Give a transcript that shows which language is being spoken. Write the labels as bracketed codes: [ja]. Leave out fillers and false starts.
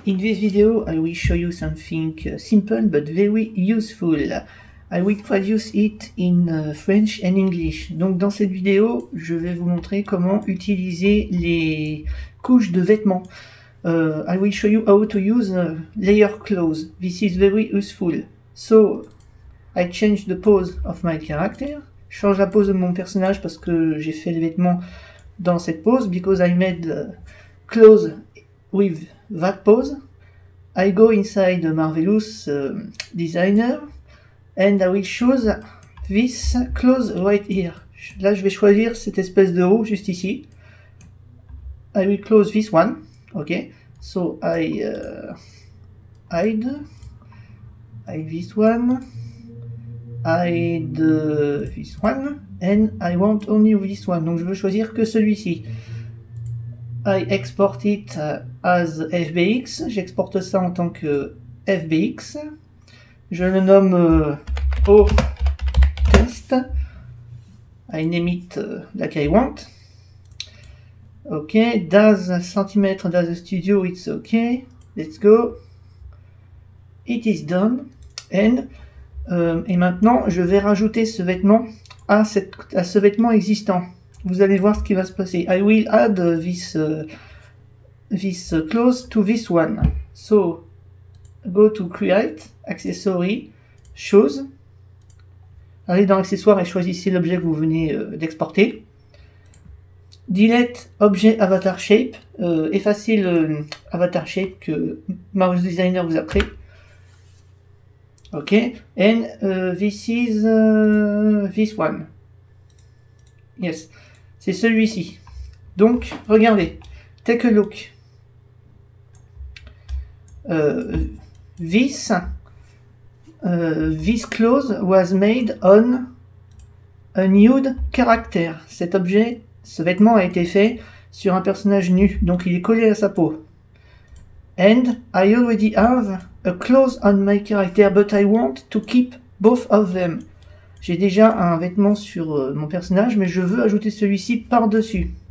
[en] In this video, I will show you something simple but very useful. I will traduce it in French and English. [fr] Donc dans cette vidéo, je vais vous montrer comment utiliser les couches de vêtements. [en] I will show you how to use layer clothes. This is very useful. So, I change the pose of my character. [fr] Je change la pose de mon personnage parce que j'ai fait les vêtements dans cette pose. [en] Because I made clothes with that pose. I go inside Marvelous Designer. And I will choose this clothes right here. [fr] Là, je vais choisir cette espèce de haut juste ici. [en] I will close this one. Okay. So I hide this one. Hide this one. And I want only this one. [fr] Donc, je veux choisir que celui-ci. [en] I export it as FBX. [fr] J'exporte ça en tant que FBX. Je le nomme oh, test. [en] I name it like I want. Ok, DAZ centimètre, DAZ studio, it's ok. Let's go. It is done. [fr] And, et maintenant, je vais rajouter ce vêtement à ce vêtement existant. Vous allez voir ce qui va se passer. [en] I will add this clothes to this one. So, go to create, accessory, shoes. [fr] Allez dans accessoires et choisissez l'objet que vous venez d'exporter. Delete objet avatar shape. Effacez le avatar shape que Marvelous Designer vous a pris. Ok. [en] And this is this one. Yes. [fr] C'est celui-ci. Donc, regardez. [en] Take a look. This clothes was made on a nude character. [fr] Cet objet, ce vêtement a été fait sur un personnage nu, donc il est collé à sa peau. [en] And I already have a clothes on my character, but I want to keep both of them. [fr] J'ai déjà un vêtement sur mon personnage, mais je veux ajouter celui-ci par-dessus.